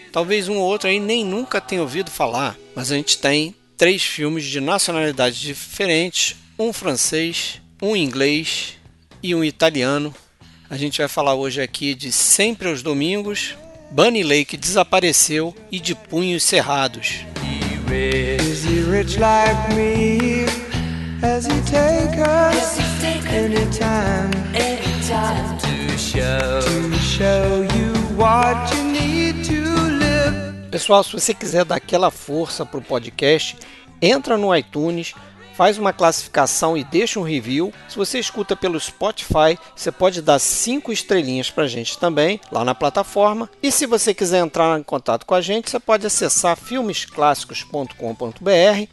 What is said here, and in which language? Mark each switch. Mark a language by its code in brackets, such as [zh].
[pt] Talvez um ou outro aí nem nunca tenha ouvido falar, mas a gente tem três filmes de nacionalidades diferentes, um francês, um inglês e um italiano. A gente vai falar hoje aqui de Sempre aos Domingos, Bunny Lake Desapareceu e De Punhos Cerrados. [en] Is he rich like me? Has he taken any time to show you what you need to live? [pt] Pessoal, se você quiser dar aquela força pro podcast, entra no iTunes, faz uma classificação e deixa um review. Se você escuta pelo Spotify, você pode dar 5 estrelinhas para a gente também, lá na plataforma. E se você quiser entrar em contato com a gente, você pode acessar filmesclassicos.com.br.